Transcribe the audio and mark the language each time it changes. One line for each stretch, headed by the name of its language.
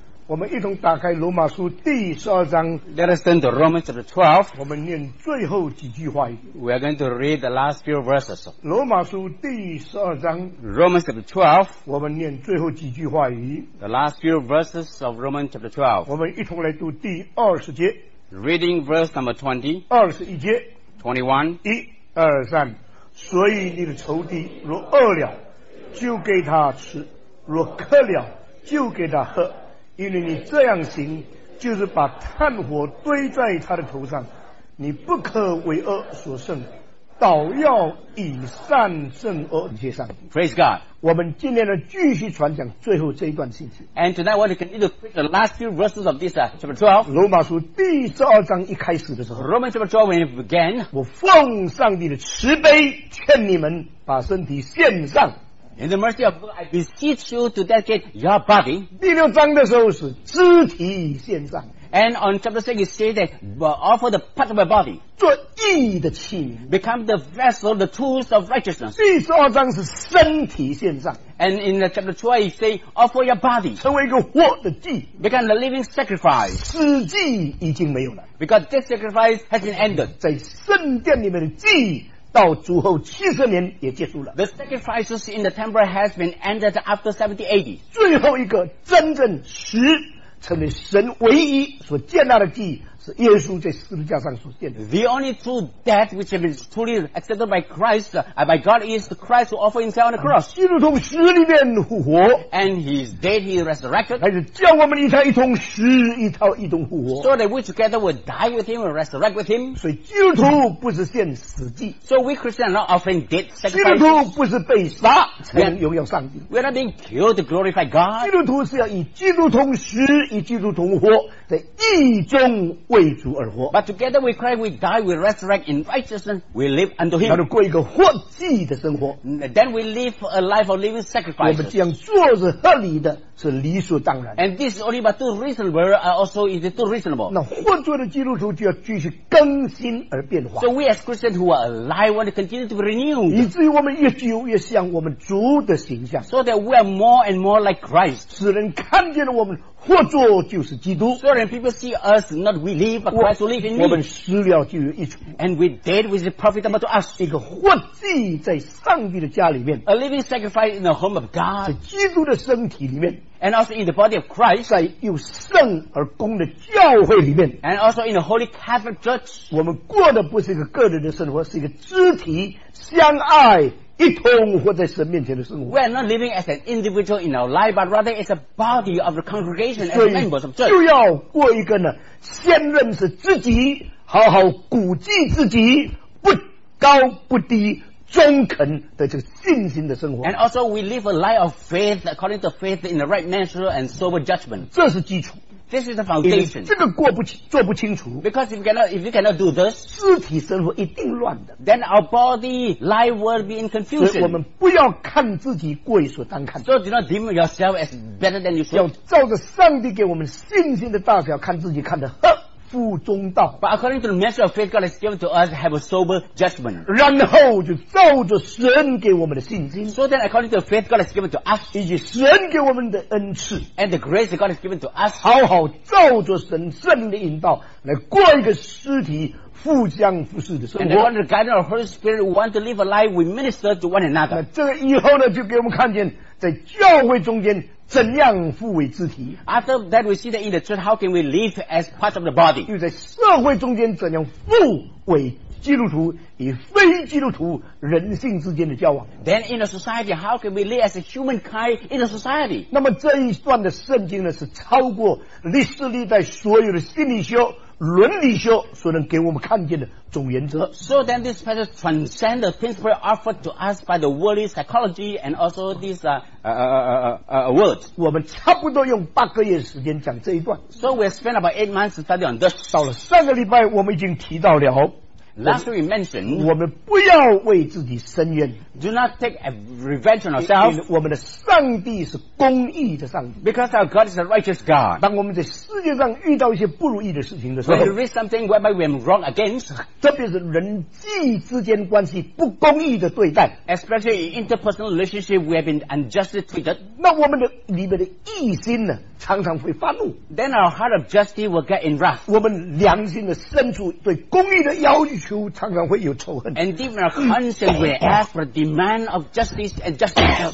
Chinese: 我们一同打开罗马书第十二章。
English: Let us turn to Romans chapter 12.
Chinese: 我们念最后几句话。
English: We are going to read the last few verses.
Chinese: 罗马书第十二章。
English: Romans chapter 12.
Chinese: 我们念最后几句话。
English: The last few verses of Romans chapter 12.
Chinese: 我们一同来读第二十节。
English: Reading verse number 20.
Chinese: 二十一节。
English: 21.
Chinese: 一、二、三。所以你的仇敌若饿了，就给他吃；若渴了，就给他喝。因为你这样行，就是把炭火堆在他的头上。你不可为恶所胜，倒要以善胜恶。你接上。
English: Praise God。
Chinese: 我们今天呢，继续传讲最后这一段信息。
English: And tonight, we want to continue to read the last few verses of this chapter 12.
Chinese: 罗马书第十二章一开始的时候。
English: Romans chapter 12 when it began.
Chinese: 我奉上帝的慈悲，劝你们把身体献上。
English: In the mercy of God, I beseech you to dedicate your body.
Chinese: 第六章的时候是肢体献上。
English: And on chapter 6, it says that offer the part of my body.
Chinese: 做义的器皿。
English: Become the vessel, the tools of righteousness.
Chinese: 第十二章是身体献上。
English: And in the chapter 12, it says offer your body.
Chinese: 成为一个活的祭。
English: Become the living sacrifice.
Chinese: 死祭已经没有了。
English: Because this sacrifice has been ended.
Chinese: 在圣殿里面的祭到主后七十年也结束了。
English: The sacrifices in the temple has been ended after 70 AD.
Chinese: 最后一个真正实成为神唯一所接纳的祭，是耶稣在十字架上所献的。
English: The only true death which has been truly accepted by Christ, by God, is Christ who offered himself on the cross.
Chinese: 基督从死里面复活。
English: And he is dead, he resurrected.
Chinese: 还是叫我们一同一同死，一同一同复活。
English: So that we together will die with him and resurrect with him.
Chinese: 所以基督徒不是献死祭。
English: So we Christians are not offering dead sacrifices.
Chinese: 基督徒不是被杀才荣耀上帝。
English: We are not being killed to glorify God.
Chinese: 基督徒是要以基督同死，以基督同活，在义中为主而活。
English: But together we cry, we die, we resurrect in righteousness, we live unto him.
Chinese: 那就过一个活祭的生活。
English: Then we live a life of living sacrifices.
Chinese: 我们这样做是合理的，是理所当然。
English: And this is only but too reasonable, also is it too reasonable.
Chinese: 那活着的基督徒就要继续更新而变化。
English: So we as Christians who are alive want to continue to be renewed.
Chinese: 以至于我们越久越像我们主的形象。
English: So that we are more and more like Christ.
Chinese: 使人看见了我们活着就是基督。
English: So when people see us, not we live, but Christ who lives in me.
Chinese: 我们死了就有益处。
English: And we dead with the profitable to us.
Chinese: 一个活祭在上帝的家里面。
English: A living sacrifice in the home of God.
Chinese: 在基督的身体里面。
English: And also in the body of Christ.
Chinese: 在有圣而公的教会里面。
English: And also in the holy Catholic Church.
Chinese: 我们过的不是一个个人的生活，是一个肢体相爱一同活在神面前的生活。
English: We are not living as an individual in our life, but rather as a body of the congregation as members of church.
Chinese: 就要过一个呢，先认识自己，好好估计自己，不高不低，忠恳的这个信心的生活。
English: And also we live a life of faith according to faith in the right measure and sober judgment.
Chinese: 这是基础。
English: This is the foundation.
Chinese: 这个过不清，做不清楚。
English: Because if you cannot do this,
Chinese: 肢体生活一定乱的。
English: Then our body life will be in confusion.
Chinese: 所以我们不要看自己过于所单看。
English: So do not deem yourself as better than you should.
Chinese: 要照着上帝给我们信心的大小看自己，看得合乎中道。
English: But according to the measure of faith God has given to us, have a sober judgment.
Chinese: 然后就照着神给我们的信心。
English: So then according to the faith God has given to us,
Chinese: 以及神给我们的恩赐。
English: And the grace God has given to us,
Chinese: 好好照着神圣灵的引导来过一个肢体互相服侍的生活。
English: And under the guidance of the Holy Spirit, we want to live a life we minister to one another.
Chinese: 那这个以后呢，就给我们看见在教会中间怎样互为肢体。
English: After that we see that in the church, how can we live as part of the body?
Chinese: 又在社会中间怎样互为基督徒，与非基督徒人性之间的交往。
English: Then in a society, how can we live as a humankind in a society?
Chinese: 那么这一段的圣经呢，是超过历史历代所有的心理学、伦理学所能给我们看见的总原则。
English: So then this passage transcends the principle offered to us by the worldly psychology and also this world.
Chinese: 我们差不多用八个月时间讲这一段。
English: So we spent about 8 months studying on this.
Chinese: 到了上个礼拜我们已经提到了。
English: Last week we mentioned,
Chinese: 我们不要为自己伸冤,
English: do not take a revenge on ourselves.
Chinese: 我们的上帝是公义的上帝,
English: because our God is a righteous God.
Chinese: 当我们在世界上遇到一些不如意的事情的时候,
English: when we read something whereby we are wrong against,
Chinese: 特别是人际之间关系不公义的对待,
English: especially in interpersonal relationship we have been unjustly treated,
Chinese: 那我们的里面的义心呢, 常常会发怒,
English: then our heart of justice will get in wrath.
Chinese: 我们良心的深处对公义的要求常常会有仇恨,
English: and even our conscience will ask for a demand of justice and justice.